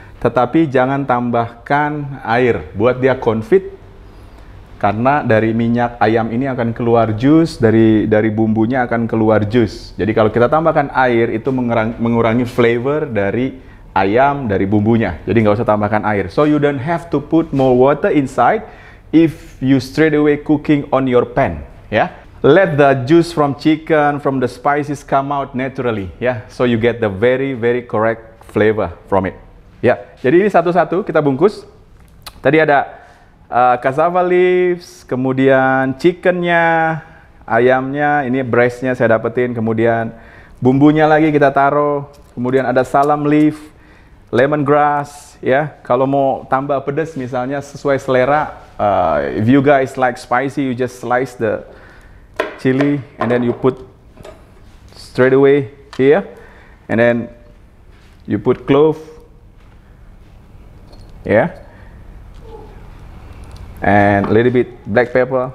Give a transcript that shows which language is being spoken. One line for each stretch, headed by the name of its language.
Indonesian: Tetapi jangan tambahkan air, buat dia confit. Karena dari minyak ayam ini akan keluar jus, dari bumbunya akan keluar jus. Jadi kalau kita tambahkan air, itu mengurangi flavor dari ayam, dari bumbunya. Jadi nggak usah tambahkan air.
English: So you don't have to put more water inside if you straight away cooking on your pan. Yeah, let the juice from chicken, from the spices come out naturally. Yeah, so you get the very, very correct flavor from it.
Indonesian: Yeah, jadi ini satu-satu kita bungkus. Tadi ada cassava leaves, kemudian chickennya, ayamnya, ini breastnya saya dapetin, kemudian bumbunya lagi kita taruh, kemudian ada salam leaf, lemongrass. Yeah, kalau mau tambah pedas misalnya sesuai selera.
English: If you guys like spicy, you just slice the chili and then you put straight away here and then you put clove, yeah, and a little bit black pepper.